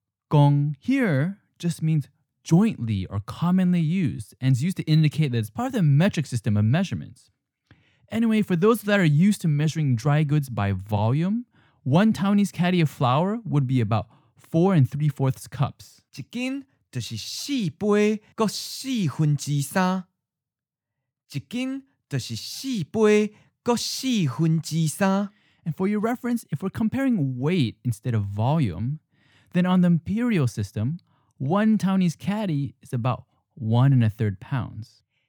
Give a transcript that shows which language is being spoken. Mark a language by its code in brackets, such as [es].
[en] Gong here just means jointly or commonly used and is used to indicate that it's part of the metric system of measurements. Anyway, for those that are used to measuring dry goods by volume, 1 Taiwanese caddy of flour would be about 4 3/4 cups. [zh] 一斤就是四杯各四分之三. [en] And for your reference, if we're comparing weight instead of volume, then on the imperial system, 1 Taiwanese caddy is about 1 1/3 pounds.